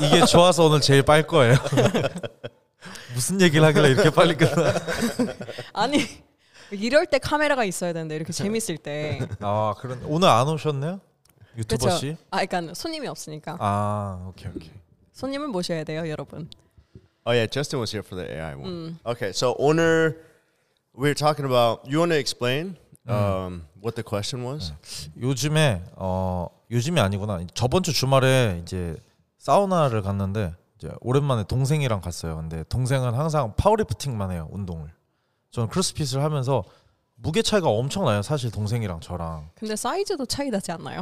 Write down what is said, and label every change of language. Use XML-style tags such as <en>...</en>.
<ko>이게 좋아서 오늘 제일 빨 거예요. 무슨 얘기를 하길래 이렇게 빨리 끝나? 아니 이럴 때 카메라가 있어야 되는데 이렇게 재밌을 때. 아 그런 오늘 안 오셨네요 유튜버 그쵸? 씨. 아 그러니까 손님이 없으니까. 아 오케이 오케이. 손님을 모셔야 돼요 여러분.</ko> <en>Oh yeah, Justin was here for the AI one. Okay, so</en> <ko>오늘</ko> <en>we're talking about. You want to explain what the question was?</en> <ko>요즘에 어 요즘이 아니구나. 저번 주 주말에 이제 사우나를 갔는데. 오랜만에 동생이랑 갔어요. 근데 동생은 항상 파워리프팅만 해요, 운동을. 저는 크로스핏을 하면서 무게 차이가 엄청 나요, 사실 동생이랑 저랑. 근데 사이즈도 차이 나지 않나요?</ko>